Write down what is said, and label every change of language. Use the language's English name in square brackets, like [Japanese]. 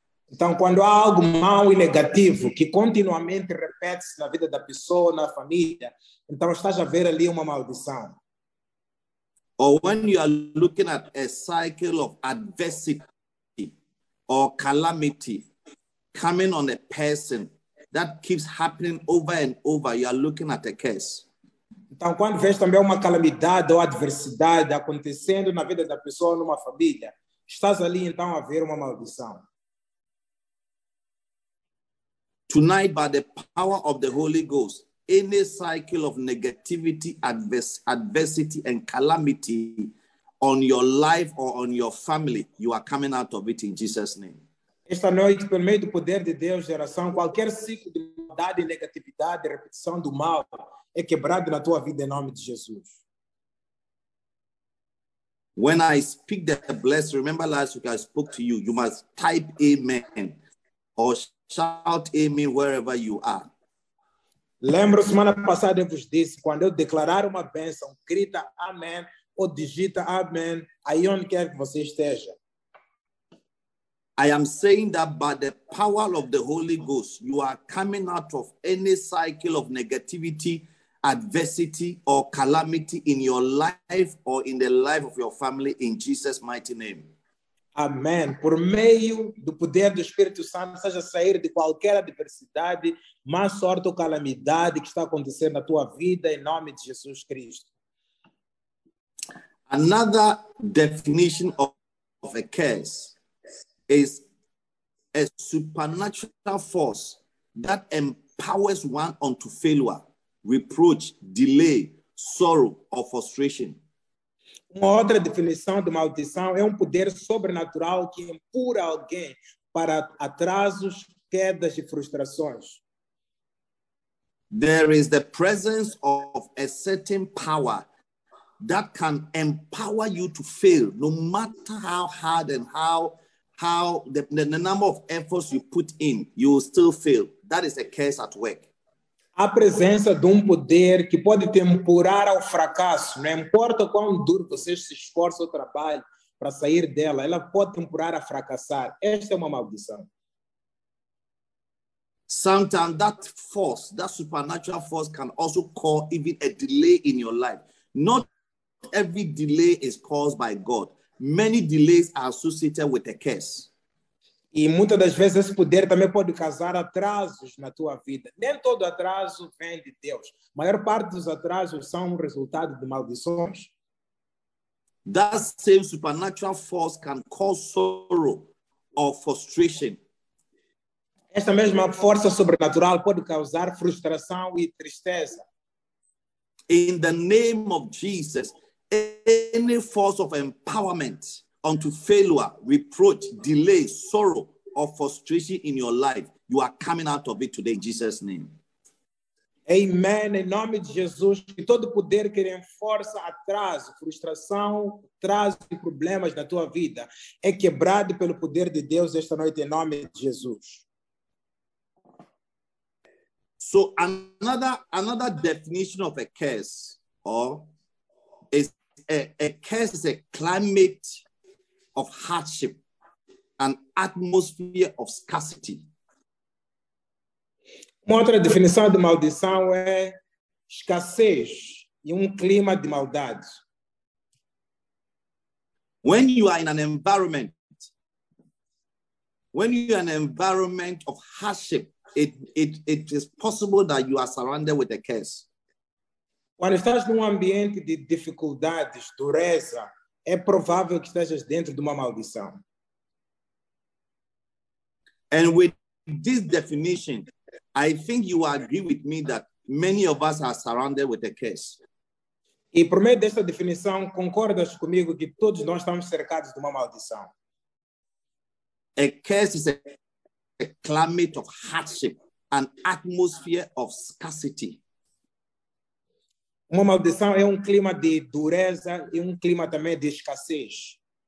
[Portuguese] Então, quando há algo mau e negativo que continuamente repete-se na vida da pessoa, na família, então estás a ver ali uma maldição. [English] Or when you are looking at a cycle of adversity or calamity coming on a person that keeps happening over and over, you are looking at a curse. [Portuguese] Então, quando vês também uma calamidade ou adversidade acontecendo na vida da pessoa, numa família, estás ali, então, a ver uma maldição. [English] Tonight, by the power of the Holy Ghost, any cycle of negativity, adversity, and calamity on your life or on your family, you are coming out of it in Jesus' name. [Portuguese] Esta noite, pelo meio do poder de Deus, geração, qualquer ciclo de maldade, negatividade, de repetição do mal é quebrado na tua vida em nome de Jesus. [English] When I speak the blessing, remember last week I spoke to you, you must type amen or shout amen wherever you are. [Portuguese] Lembro, semana passada eu vos disse, quando eu declarar uma bênção, grita amen ou digita amen, aí onde quer que você esteja. [English] I am saying that by the power of the Holy Ghost, you are coming out of any cycle of negativity, adversity, or calamity in your life or in the life of your family in Jesus' mighty name. [Portuguese] Amém. Por meio do poder do Espírito Santo, seja sair de qualquer adversidade, má sorte ou calamidade que está acontecendo na tua vida, em nome de Jesus Cristo. [English] Another definition of a curse is a supernatural force that empowers one onto failure, reproach, delay, sorrow or frustration. [Portuguese] Uma outra definição de maldição é um poder sobrenatural que empurra alguém para atrasos, quedas e frustrações. [English] There is the presence of a certain power that can empower you to fail, no matter how hard and how the number of efforts you put in, you will still fail. That is a curse at work. [Portuguese] A presença de um poder que pode te empurrar ao fracasso, não importa quão duro você se esforça ou trabalhe para sair dela, ela pode te empurrar a fracassar. Esta é uma maldição. [English] Sometimes that force, that supernatural force, can also cause even a delay in your life. Not every delay is caused by God. Many delays are associated with a curse. [Portuguese] E muitas das vezes esse poder também pode causar atrasos na tua vida. Nem todo atraso vem de Deus. A maior parte dos atrasos são resultado de maldições. [English] That same supernatural force can cause sorrow or frustration. [Portuguese] Essa mesma força sobrenatural pode causar frustração e tristeza. [English] In the name of Jesus, any force of empowerment unto failure, reproach, delay, sorrow, or frustration in your life, you are coming out of it today, in Jesus' name. Amen. [Portuguese] Em nome de Jesus, que todo poder que reforça atraso, frustração, atraso e problemas na tua vida é quebrado pelo poder de Deus esta noite, em nome de Jesus. [English] So, another definition of a curse, or is a curse is a climate of hardship, an atmosphere of scarcity. [Portuguese] Uma outra definição de maldição é escassez e clima de maldade. [English] When you are in an environment of hardship, it is possible that you are surrounded with a curse. [Portuguese] Quando estás num ambiente de dificuldades, dureza, é provável que estejas dentro de uma maldição. [English] And with this definition, I think you agree with me that many of us are surrounded with a curse. [Portuguese] E por meio desta definição, concordas comigo que todos nós estamos cercados de uma maldição. [English] A curse is a climate of hardship, an atmosphere of scarcity. [Portuguese] Uma maldição é clima de dureza e clima também de escassez.